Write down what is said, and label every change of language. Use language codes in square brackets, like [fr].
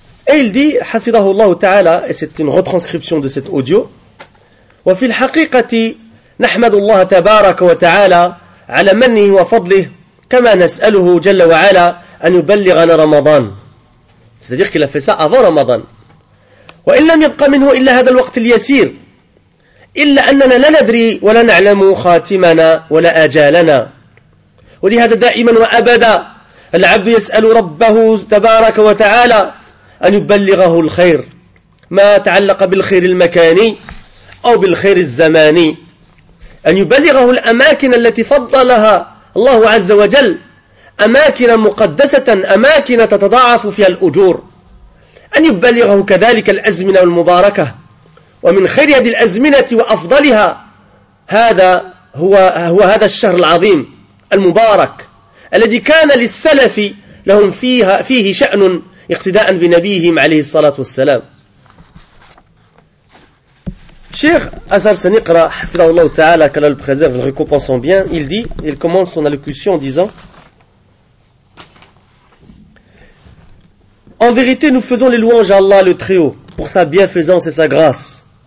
[fr] Et il dit, [ar] حفظه الله تعالى, [fr] et c'est une retranscription de cet audio, [ar] وفي الحقيقة نحمد الله تبارك وتعالى على منه وفضله كما نسأله جل وعلا أن يبلغنا رمضان. [fr] C'est-à-dire qu'il a fait ça avant Ramadan. [ar] وإن لم يبقى منه إلا هذا الوقت اليسير إلا أننا لا ندري ولا نعلم خاتمنا ولا آجالنا. ولهذا دائما وأبدا العبد يسأل ربه تبارك وتعالى أن يبلغه الخير ما تعلق بالخير المكاني أو بالخير الزماني، أن يبلغه الأماكن التي فضلها الله عز وجل، أماكن مقدسة، أماكن تتضاعف فيها الأجور، أن يبلغه كذلك الأزمنة المباركة. ومن خير هذه الأزمنة وأفضلها هذا هو هذا الشهر العظيم المبارك الذي كان للسلف لهم فيه شأن اقتداء بنبيهم عليه الصلاة والسلام. [fr] Cheikh Azhar Sanikra, hafidhahullah ta'ala, qu'Allah le préserve, le récompense en bien, il dit, il commence son allocution en disant: en vérité, nous faisons les louanges à Allah le Très-Haut pour sa bienfaisance et sa grâce.